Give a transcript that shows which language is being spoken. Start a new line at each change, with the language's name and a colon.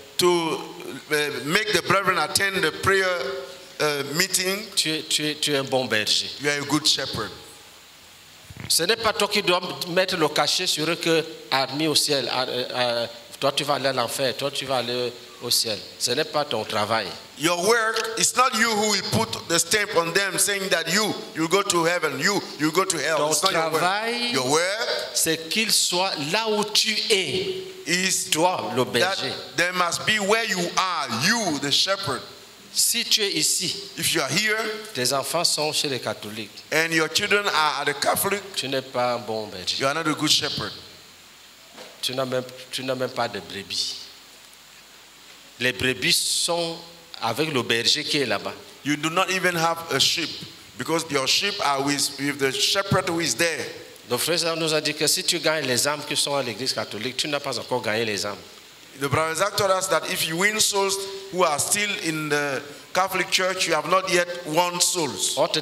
English: to make the brethren attend the prayer meeting,
French: tu es un bon berger.
English: You are a good shepherd.
French: Ce n'est pas toi qui dois mettre le cachet sur eux que admis au ciel. Toi, tu vas aller à l'enfer. Toi, tu vas aller au ciel. Ce n'est pas ton travail.
English: Your work, it's not you who will put the stamp on them saying that you go to heaven. You go to hell.
French: Ton
English: it's not
French: travail,
English: your work.
French: C'est qu'ils soient là où tu es.
English: Is
French: toi, le berger.
English: They must be where you are. You, the shepherd.
French: Si tu es ici,
English: if you are here,
French: tes enfants sont chez les catholiques,
English: and your children are at the Catholic,
French: tu n'es pas un bon berger.
English: You are not a good shepherd.
French: Tu n'as même pas de brebis. Les brebis sont avec le berger qui est là-bas.
English: You do not even have a sheep because your sheep are with the shepherd who is there.
French: Le frère nous a dit que si tu gagnes les âmes qui sont à l'église catholique, tu n'as pas encore gagné les âmes.
English: The brothers told us that if you win souls who are still in the Catholic Church, you have not yet won souls.